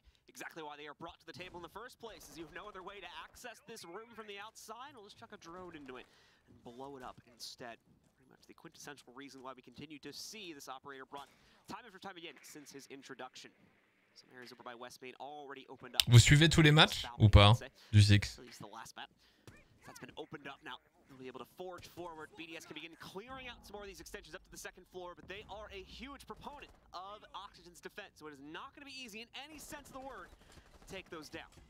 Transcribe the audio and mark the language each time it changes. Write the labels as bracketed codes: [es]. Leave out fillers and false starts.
[en] Exactly why they are brought to the table in the first place is you have no other way to access this room from the outside. We'll just chuck a drone into it and blow it up instead. Pretty much the quintessential reason why we continue to see this operator brought time after time again since his introduction. Some areas over by West Main already opened up. [fr] Vous suivez tous les matchs ou pas du Six? [en] At least the last map that's been opened up now. Be able to forge forward. BDS can begin clearing out some more of these extensions up to the second floor, but they are a huge proponent of Oxygen's defense, so it is not going to be easy in any sense of the word to take those down.